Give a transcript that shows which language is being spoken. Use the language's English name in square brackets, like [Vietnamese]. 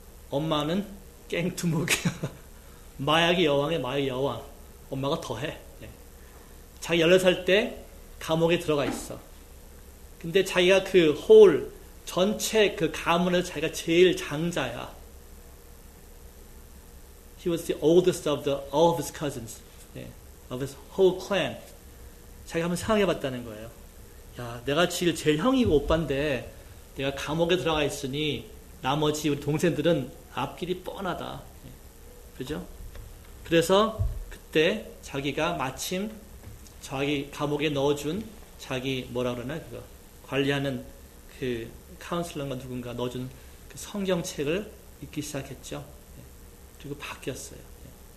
[Korean] 엄마는 깽두목이야. 마약의 여왕의 마약의 여왕. 엄마가 더해. 예. 자기 14살 때 감옥에 들어가 있어. 근데 자기가 그 홀, 전체 그 가문에서 자기가 제일 장자야. [English] He was the oldest of all of his cousins, yeah, of his whole clan. [Korean] 자기가 한번 생각해봤다는 거예요. 야, 내가 지금 제일 형이고 오빠인데 내가 감옥에 들어가 있으니 나머지 우리 동생들은 앞길이 뻔하다. Yeah. 그죠? 그래서 그때 자기가 마침 자기 감옥에 넣어준 자기 뭐라 그러나 그거 관리하는 그 카운슬러가 누군가 넣어준 그 성경책을 읽기 시작했죠. 그리고 바뀌었어요. 예.